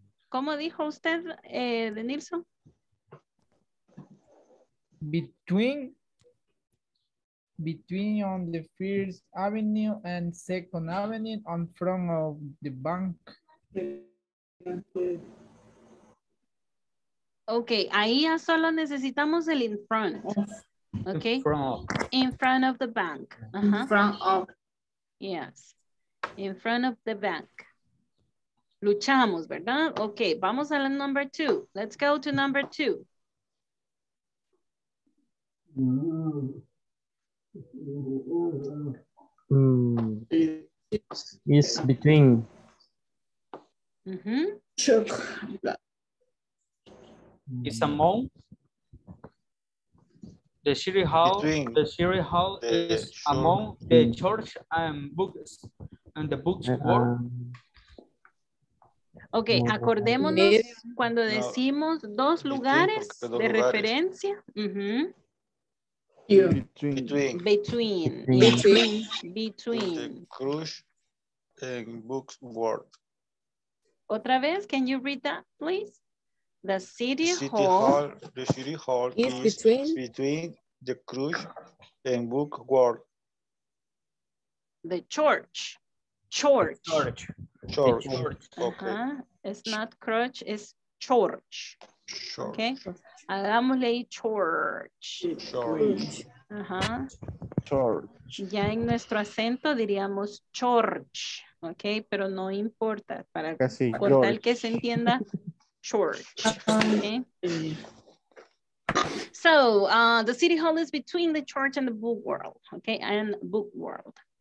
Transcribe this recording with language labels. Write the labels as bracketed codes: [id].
[es] ¿Cómo dijo usted, Denilson? [en] Between between on the First Avenue and Second Avenue on front of the bank. [es] Okay, ahí ya solo necesitamos el in front. [en] Okay. In front of the bank. Uh-huh. In front of. Yes. In front of the bank. [es] Luchamos, ¿verdad? [en] Okay, [es] vamos a la [en] number two. Let's go to number two. It's between. Mm-hmm. It's among the city hall. Between the city hall the is church. Among the church and books and the books were. [es] Okay, acordémonos cuando decimos dos lugares de referencia. Mm-hmm. [en] Between the crush and books world. [es] Otra vez, [en] can you read that, please? The city, the city hall is between the crush and book world. The church. Church. Okay. It's not crutch, it's church. Okay. [es] Hagámosle church. [en] Church. Uh-huh. Church. [es] Ya en nuestro acento diríamos church, ok, pero no importa, para casi, por tal que se entienda, church. [en] Okay. So, the city hall is between the church and the book world, ok, and book world.